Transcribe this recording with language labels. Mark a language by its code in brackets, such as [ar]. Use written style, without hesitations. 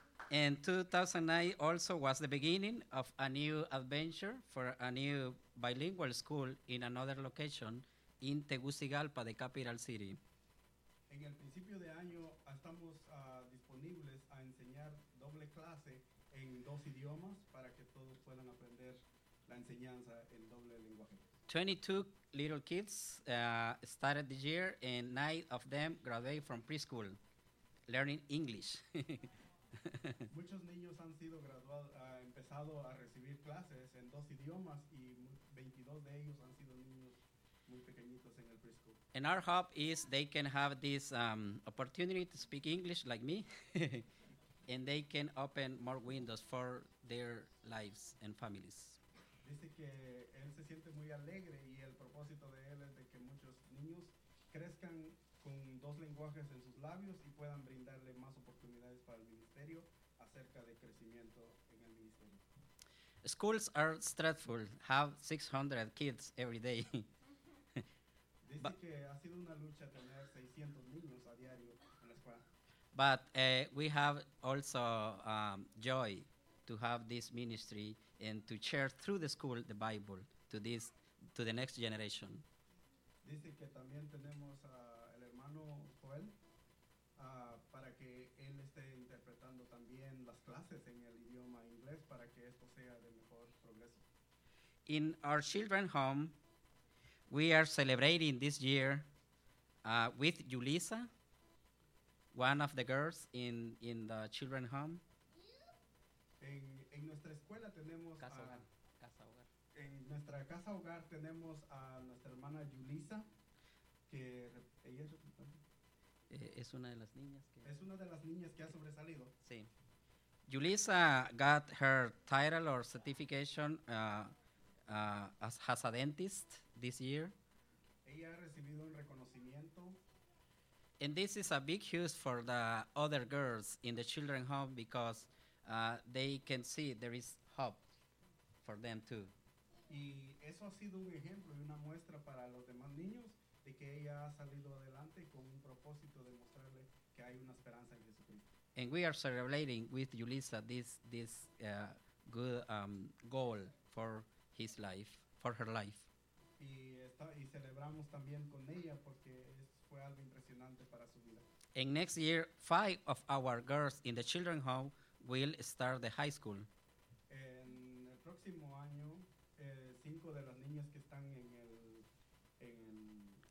[en] And 2009 also was the beginning of a new adventure for a new bilingual school in another location in Tegucigalpa, the capital city. [es] En el principio de año estamos disponibles a enseñar doble clase en dos idiomas para que todos puedan aprender la enseñanza en doble lenguaje. [en] 22 little kids started the year and 9 of them graduated from preschool learning English. [es] Muchos niños han sido graduados, empezado a recibir clases en dos idiomas y 22 de ellos han sido niños muy pequeñitos en el preschool. [en] And our hope is they can have this opportunity to speak English like me and they can open more windows for their lives and families. [es] Dice que él se siente muy alegre y el propósito de él es de que muchos niños crezcan con dos lenguajes en sus labios y puedan brindarle más oportunidades para el ministerio acerca de crecimiento en el ministerio. [en] Schools are stressful, have 600 kids every day. [es] Dice que ha sido una lucha tener 600 niños a diario en la escuela. [en] But we have also joy to have this ministry and to share through the school the Bible to the next generation. [es] Dice que también tenemos el hermano Joel para que él esté interpretando también las clases en el idioma inglés para que esto sea de mejor progreso. [en] In our children's home, we are celebrating this year with Julissa, one of the girls in the children's home. [es] En nuestra escuela tenemos casa hogar. Casa hogar. En nuestra casa hogar tenemos a nuestra hermana Julissa, que ella es una de las niñas que es una de las niñas que ha sobresalido. Sí. [en] Julissa got her title or certification as a dentist this year. [es] Ella ha recibido un reconocimiento. [en] And this is a big huge for the other girls in the children home because they can see there is hope for them too. [es] Y eso ha sido un ejemplo y una muestra para los demás niños de que ella ha salido adelante con un propósito de mostrarle que hay una esperanza en Jesucristo. [en] And we are celebrating with Julissa this good goal for his life, for her life. [es] Y celebramos también con ella porque fue algo impresionante para su vida. [en] And next year, 5 of our girls in the children's home will start the high school. [es] En el próximo año, 5 de las niñas que están en el